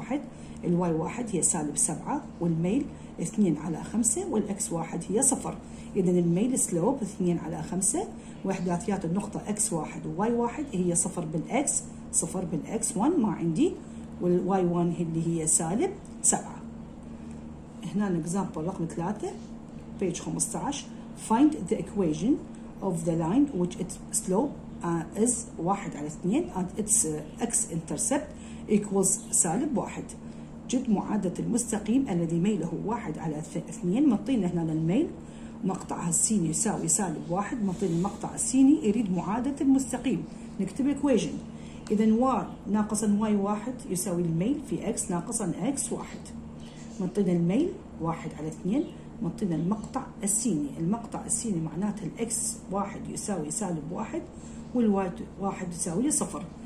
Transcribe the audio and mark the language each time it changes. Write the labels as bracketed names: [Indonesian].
[Arabic] الy1 هي سالب 7 والميل 2 على 5 والx1 هي 0. إذن الميل سلوب 2 على 5، وإحداثيات النقطة X1 وY1 هي 0 بالX، 0 بالX1 ما عندي، والY1 اللي هي سالب 7. هنا الإكزامبل رقم 3، [English] page 15. Find the equation of the line which its slope is 1 [Arabic] على [English] 2 and its x-intercept equals [Arabic] سالب [English] 1. [Arabic] جد معادلة المستقيم الذي ميله 1 على 2، مطينا هنا الميل مقطعها السيني يساوي سالب 1، مطين المقطع السيني يريد معادلة المستقيم. نكتب equation، إذن y ناقصا y1 يساوي الميل في x ناقصا x1، مطين الميل 1 على 2، مطين المقطع السيني، المقطع السيني معناته x1 يساوي سالب 1 وال1 يساوي 0.